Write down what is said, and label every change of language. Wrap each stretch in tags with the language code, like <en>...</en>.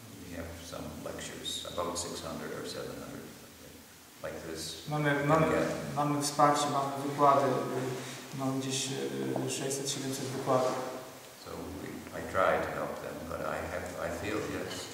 <en>We have some lectures, about 600 or 700, like this.</en> <pl>Mamy wsparcie, mamy wykłady. Mam gdzieś 600-700 wykładów.</pl> <en>So I try to help them, but I feel yes.</en>